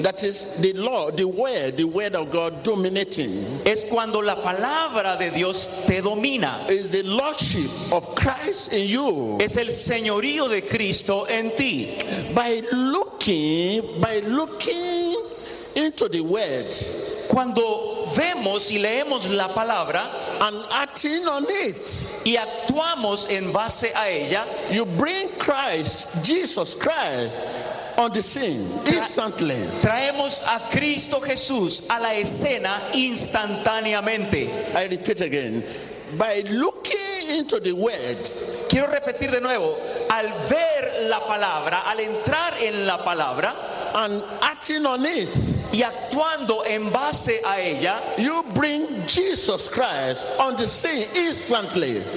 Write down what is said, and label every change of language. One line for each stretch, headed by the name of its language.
English: That is the law, the word of God dominating.
Spanish: Es cuando la palabra de Dios te domina.
English: Is the lordship of Christ in you.
Spanish: Es el señorío de Cristo en ti.
English: By looking into the word,
Spanish: cuando vemos y leemos la palabra,
English: and acting on it,
Spanish: y actuamos en base a ella,
English: you bring Christ, Jesus Christ, on the scene instantly.
Spanish: Traemos a Cristo Jesús a la escena instantáneamente.
English: I repeat again, by looking into the word.
Spanish: Quiero repetir de nuevo, al ver la palabra, al entrar en la palabra,
English: and acting on it,
Spanish: y actuando en base a ella,
English: you bring Jesus Christ on the scene instantly.